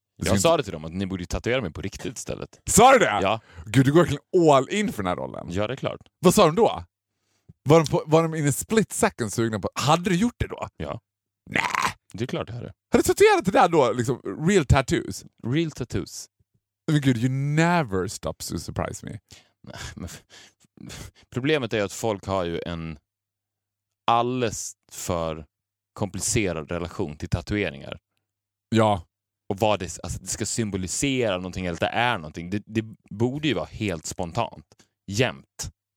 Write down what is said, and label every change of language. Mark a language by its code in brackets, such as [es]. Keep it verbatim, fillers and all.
[sv] Jag sa det till dem att ni borde tatuera mig på riktigt istället. Sa du det? Ja. Gud, du går verkligen all in för den här rollen. Ja, det är klart. Vad sa de då? Var de, på, var de in i [en] split second [sv] sugna på... Hade du gjort det då? Ja. Nej. Det är klart det här. Har du tatuerat det där då? Liksom, [en] real tattoos? Real tattoos. [sv] Men gud, [en] you never stop to surprise me. [sv] Nej, men... Problemet är att folk har ju en alldeles för komplicerad relation till tatueringar. Ja. Och vad det, alltså det ska symbolisera någonting eller det är någonting. Det, det borde ju vara helt spontant. Jämt.